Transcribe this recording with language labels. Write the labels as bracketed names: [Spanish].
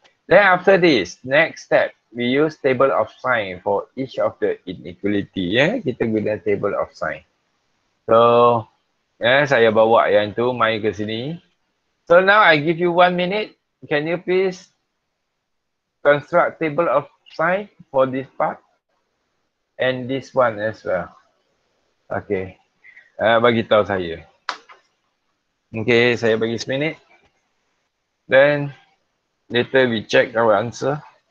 [English] Then, after this, next step, we use table of sign for each of the inequality, ya? [Malay] Yeah? Kita guna table of sign. So, saya bawa yang tu, mai ke sini. [English] So, now I give you 1 minute. Can you please construct table of sign for this part and this one as well. [Malay] Okay. Bagi tahu saya. Okay, saya bagi 1 minit. [English] Then later we check our answer.